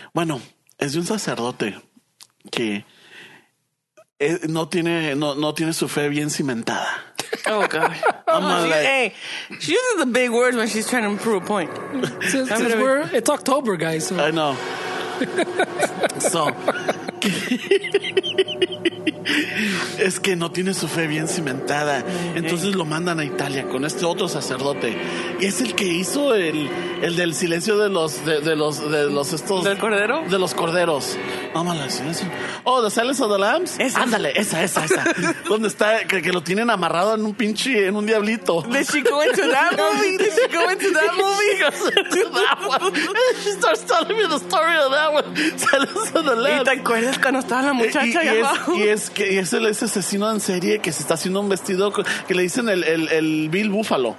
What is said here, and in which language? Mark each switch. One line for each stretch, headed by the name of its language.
Spanish: Bueno, es de un sacerdote que no tiene su fe bien cimentada.
English: Oh, God. She uses the big words when she's trying to prove a point. It's October, guys. So. I know. So.
Spanish: Es que no tiene su fe bien cimentada. Entonces lo mandan a Italia con este otro sacerdote. Y es el que hizo el del silencio de los ¿del cordero? De los corderos. Oh, The Silence of the Lambs. ¿Esa? Ándale, esa. ¿Dónde está? Que lo tienen amarrado en un pinche, en un diablito.
English: Did she go into that movie? Did she go into that movie? She goes into that one. She starts telling me the story of that one. Silence of the Lambs.
Spanish: ¿Y te acuerdas cuando estaba la muchacha allá abajo? Y es ese asesino en serie que se está haciendo un vestido que le dicen el Bill Búfalo.